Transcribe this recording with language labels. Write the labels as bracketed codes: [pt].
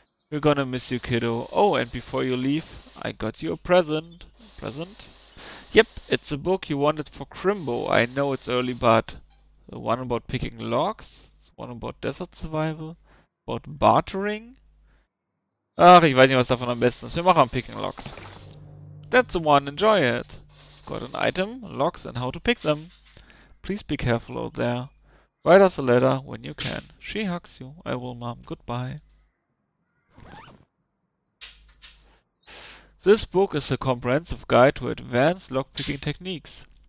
[en] We're gonna miss you, kiddo. Oh, and before you leave, I got you a present. Present? Yep, it's a book you wanted for Crimbo. I know it's early, but the one about picking locks, the one about desert survival, about bartering. [de] Ach, ich weiß nicht, was davon am besten ist. Wir machen am Picking Locks. [en] That's the one, enjoy it. Got an item, locks and how to pick them. Please be careful out there. Write us a letter when you can. She hugs you. I will, mom. Goodbye. This book is a comprehensive guide to advanced lockpicking techniques.